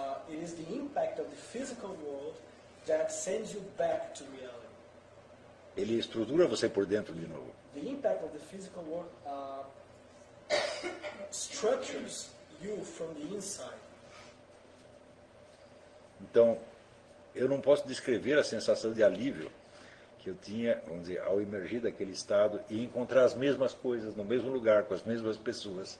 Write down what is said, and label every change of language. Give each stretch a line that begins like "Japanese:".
English: It is the impact of the physical world that sends you back to reality.
Portuguese: Ele estrutura você por dentro de novo.
English: The impact of the physical world structures you from the inside.
Portuguese: Então, eu não posso descrever a sensação de alívio que eu tinha, vamos dizer, ao emergir daquele estado e encontrar as mesmas coisas no mesmo lugar com as mesmas pessoas.